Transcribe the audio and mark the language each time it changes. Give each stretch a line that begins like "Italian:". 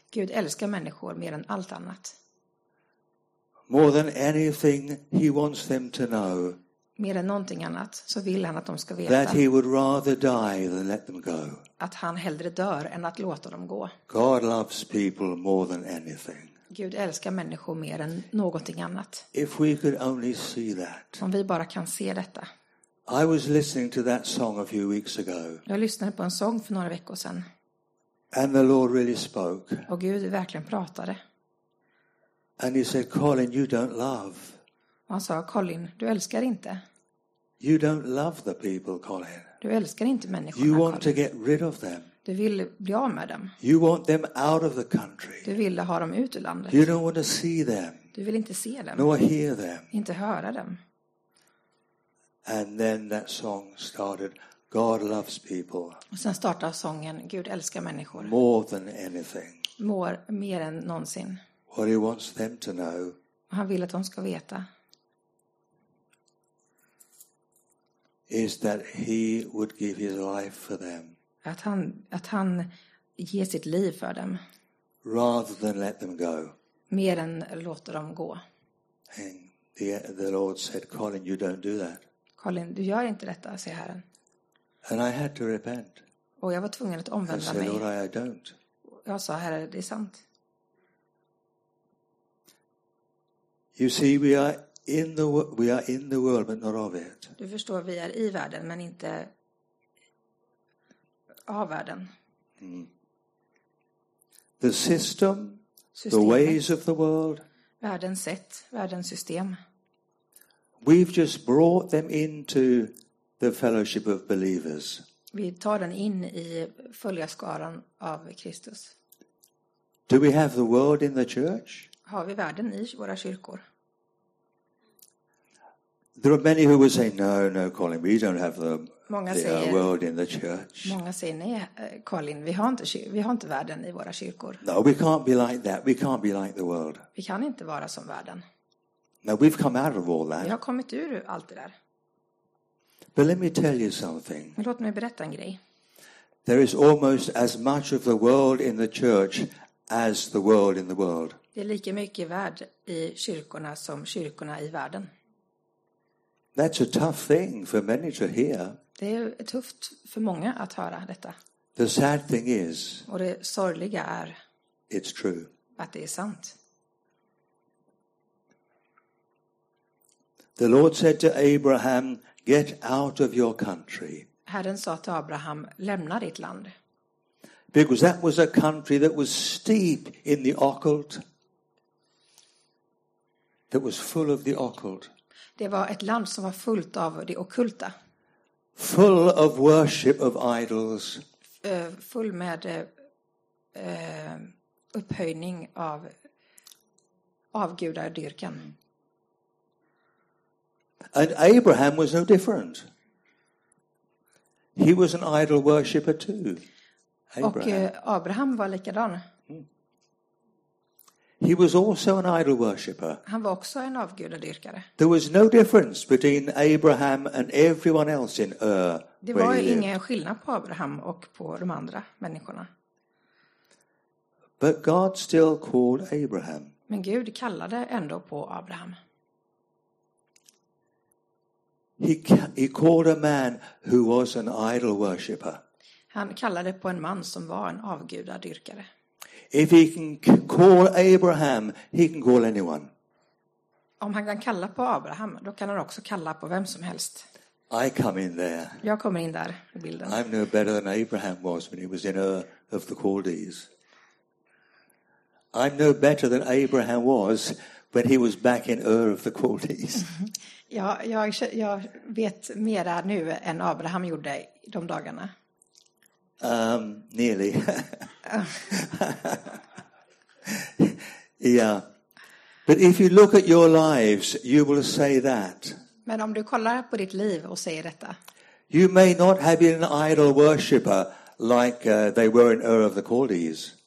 Swedish: Gud älskar människor mer än allt annat.
English: More than anything he wants them to know.
Swedish: Mer än någonting annat så vill han att de ska veta.
English: That he would rather die than let them go.
Swedish: Att han hellre dör än att låta dem gå.
English: God loves people more than anything.
Swedish: Gud älskar människor mer än någonting annat.
English: If we could only see that.
Swedish: Om vi bara kan se detta.
English: I was listening to that song a few weeks ago.
Swedish: Jag lyssnade på en sång för några veckor sedan.
English: And the Lord really spoke.
Swedish: Och Gud verkligen pratade.
English: And he said, Colin, you don't love.
Swedish: Han sa, Colin, du älskar inte.
English: You don't love the people, Colin.
Swedish: Du älskar inte människorna,
English: you want Colin. To get rid of them.
Swedish: Du vill bli av med dem.
English: You want them out of the country.
Swedish: Du vill ha dem ut ur landet.
English: You don't want to see them.
Swedish: Du vill inte se dem.
English: Nor hear them.
Swedish: Inte höra dem.
English: And then that song started, God loves people.
Swedish: Och sen startade sången, Gud älskar människor.
English: More than anything.
Swedish: Mer än någonsin.
English: What he wants them to know.
Swedish: Han vill att de ska veta.
English: Is that he would give his life for them.
Swedish: Att han ger sitt liv för dem.
English: Rather than let them go.
Swedish: Mer än låta dem gå.
English: And the Lord said, Colin, you don't do that.
Swedish: Colin, du gör inte detta, säger Herren.
English: And I had to repent.
Swedish: Och jag var tvungen att omvända mig.
English: Lord, I don't.
Swedish: Jag sa, Herre, det är sant.
English: You see, we are in the world, but not of it.
Swedish: Du förstår, vi är i världen, men inte av världen. Mm.
English: The system,
Swedish: systemet,
English: the ways of the world.
Swedish: Världens sätt, världens system.
English: We've just brought them into the fellowship of believers.
Swedish: Vi tar den in i följarskaran av Kristus.
English: Do we have the world in the church?
Swedish: Har vi världen i våra kyrkor?
English: There are many who would say no, Colin, we don't have the world in the church.
Swedish: Många säger nej, Colin, vi har inte världen i våra kyrkor.
English: No, we can't be like that. We can't be like the world.
Swedish: Vi kan inte vara som världen.
English: No, we've come out of all that.
Swedish: Vi har kommit ur allt det där.
English: But let me tell you something.
Swedish: Låt mig berätta en grej.
English: There is almost as much of the world in the church as the world in the world.
Swedish: Det är lika mycket värld i kyrkorna som kyrkorna i världen.
English: That's a tough thing for many to hear.
Swedish: Det är tufft för många att höra detta.
English: The sad thing is.
Swedish: Och det sorgliga är.
English: It's true.
Swedish: Att det är sant.
English: The Lord said to Abraham, "Get out of your country."
Swedish: Herren sa till Abraham, lämna ditt land.
English: Because that was a country that was steep in the occult. That was full of the occult.
Swedish: Det var ett land som var fullt av det okulta.
English: Full of worship of idols.
Swedish: Full med upphöjning av avgudadyrkan.
English: And Abraham was no different. He was an idol worshipper too.
Swedish: Abraham. Och Abraham var likadan. Mm.
English: He was also an idol worshipper.
Swedish: Han var också en avgudadyrkare.
English: There was no difference between Abraham and everyone else in Ur.
Swedish: Det var ingen skillnad på Abraham och på de andra människorna.
English: But God still called Abraham.
Swedish: Men Gud kallade ändå på Abraham.
English: He called a man who was an idol worshipper.
Swedish: Han kallade på en man som var en avgudadyrkare.
English: If he can call Abraham, he can call anyone.
Swedish: Om han kan kalla på Abraham, då kan han också kalla på vem som helst.
English: I come in there.
Swedish: Jag kommer in där i bilden.
English: I'm no better than Abraham was when he was in Ur of the Chaldees. I'm no better than Abraham was when he was back in Ur of the Chaldees.
Swedish: Ja, jag vet mer nu än Abraham gjorde de dagarna.
English: Nearly. Yeah. But if you look at your lives, you will say that.
Swedish: Men om du kollar på ditt liv och säger detta.
English: You may not have been an idol worshipper like they were in Ur of the Chaldees.